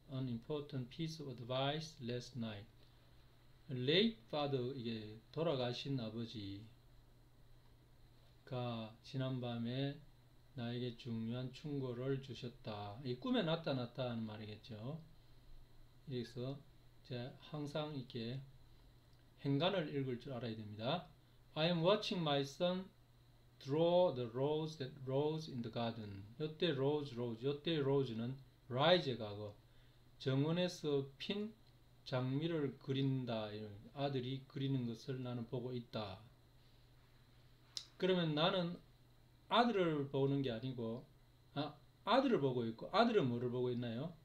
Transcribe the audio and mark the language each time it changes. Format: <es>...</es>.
<en>an important piece of advice last night. Late father,</en> <ko>이게 돌아가신 아버지가 지난밤에 나에게 중요한 충고를 주셨다. 이 꿈에 나타났다는 말이겠죠. 그래서 제가 항상 이렇게 행간을 읽을 줄 알아야 됩니다.</ko> <en>I am watching my son draw the rose that rose in the garden.</en> <ko>이때 rose는 rise의 과거. 정원에서 핀 장미를 그린다. 아들이 그리는 것을 나는 보고 있다. 그러면 나는 아들을 보는 게 아니고, 아들을 보고 있고, 아들은 뭐를 보고 있나요?</ko>